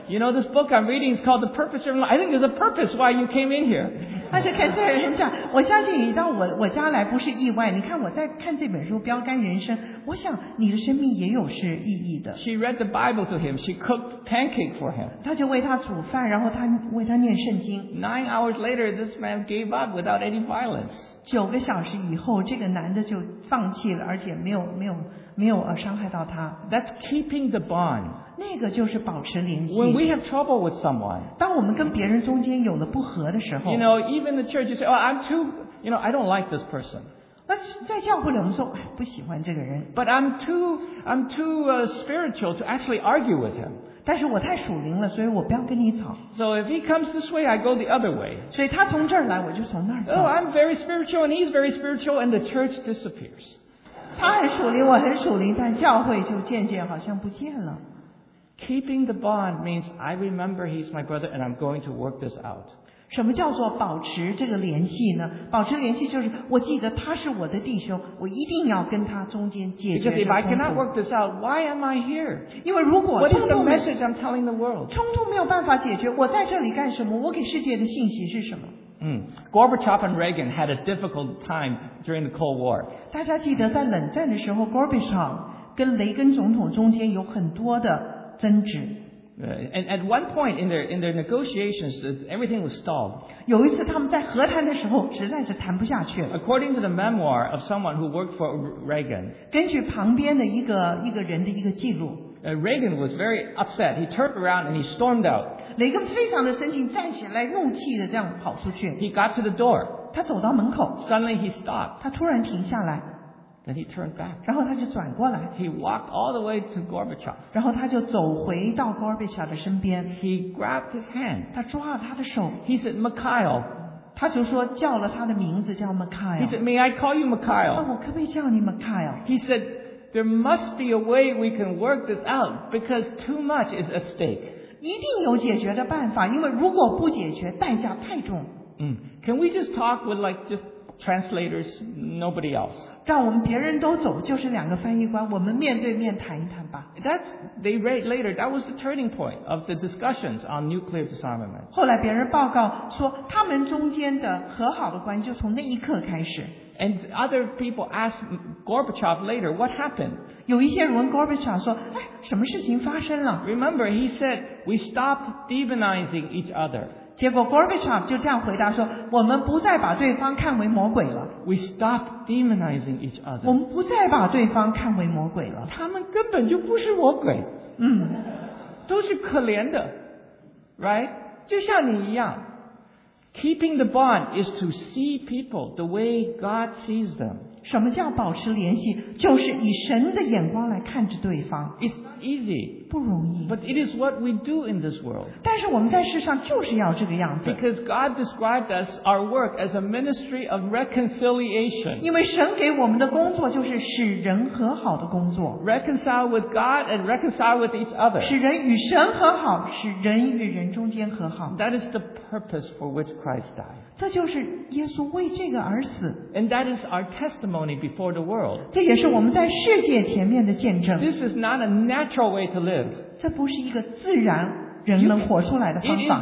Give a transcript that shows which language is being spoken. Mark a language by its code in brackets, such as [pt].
[en] You know, this book I'm reading is called The Purpose of Life. I think there's a purpose why you came in here. [zh] 他就开始很讲，我相信你到我家来不是意外。你看我在看这本书《标杆人生》，我想你的生命也有是意义的。 [en] She read the Bible to him. She cooked pancake for him. [zh] 他就为他煮饭，然后他为他念圣经。 [en] 9 hours later, this man gave up without any violence. [zh] 9个小时以后，这个男的就放弃了，而且没有没有伤害到他。 [en] That's keeping the bond. [zh] 那个就是保持联系。 [en] When we have trouble with someone, [zh] 当我们跟别人中间有了不和的时候 [en] ，You know, even the church, you say, "Oh, I'm too, you know, I don't like this person." [zh] 那在教会里，我们说不喜欢这个人。 [en] But I'm too spiritual to actually argue with him. [zh] 但是我太属灵了，所以我不要跟你吵。 [en] So if he comes this way, I go the other way. [zh] 所以他从这儿来，我就从那儿走。 [en] Oh, I'm very spiritual, and he's very spiritual, and the church disappears. [zh] 他很属灵，我很属灵，但教会就渐渐好像不见了。 [en] Keeping the bond means I remember he's my brother, and I'm going to work this out. [zh] 什么叫做保持这个联系呢？保持联系就是我记得他是我的弟兄，我一定要跟他中间解决冲突。 [en] Because if I cannot work this out, why am I here? [zh] 因为如果冲突 [en] What is the message I'm telling the world? [zh] 冲突没有办法解决，我在这里干什么？我给世界的信息是什么？ [en] Gorbachev and Reagan had a difficult time during the Cold War. [zh] 大家记得在冷战的时候 ，Gorbachev 跟雷根总统中间有很多的争执。 [en] And at one point in their negotiations, everything was stalled. [zh] 有一次他们在和谈的时候，实在是谈不下去了。 [en] According to the memoir of someone who worked for Reagan, [zh] 根据旁边的一个人的一个记录。 [en] Reagan was very upset. He turned around and he stormed out. [zh] 雷根非常的生气，站起来怒气的这样跑出去。 [en] He got to the door. [zh] 他走到门口。 [en] Suddenly he stopped. [zh] 他突然停下来。 [en] Then he turned back. [zh] 然后他就转过来。 [en] He walked all the way to Gorbachev. [zh] 然后他就走回到 Gorbachev 的身边。 [en] He grabbed his hand. [zh] 他抓了他的手。 [en] He said, "Mikhail." [zh] 他就说叫了他的名字叫 Mikhail. [en] He said, "May I call you Mikhail?" [zh] 那我可不可以叫你 Mikhail? [en] He said. There must be a way we can work this out because too much is at stake. [zh] 一定有解决的办法，因为如果不解决，代价太重。 [en] Can we just talk with like just translators, nobody else? [zh] 让我们别人都走，就是两个翻译官，我们面对面谈一谈吧。 [en] That's they read later. That was the turning point of the discussions on nuclear disarmament. [zh] 后来别人报告说，他们中间的和好的关系就从那一刻开始。 [en] And other people asked Gorbachev later, what happened? [zh] 有一些人问 Gorbachev 说，哎，什么事情发生了？ [en] Remember, he said, we stopped demonizing each other. [zh] 结果 Gorbachev 就这样回答说，我们不再把对方看为魔鬼了。 [en] We stopped demonizing each other. [zh] 我们不再把对方看为魔鬼了。他们根本就不是魔鬼。都是可怜的。 [en] Right? [zh] 就像你一样。 [en] Keeping the bond is to see people the way God sees them. [zh] 什么叫保持联系？就是以神的眼光来看着对方。 [en] It's not easy. [zh] 不容易。 [en] But it is what we do in this world. [zh] 但是我们在世上就是要这个样子。 [en] Because God described us our work as a ministry of reconciliation. [zh] 因为神给我们的工作就是使人和好的工作。 [en] Reconcile with God and reconcile with each other. [zh] 使人与神和好，使人与人中间和好。 [en] That is the purpose for which Christ died. [zh] 这就是耶稣为这个而死。 [en] And that is our testimony before the world. [zh] 这也是我们在世界前面的见证。 [en] This is not a natural way to live. [zh] 这不是一个自然人能活出来的方法。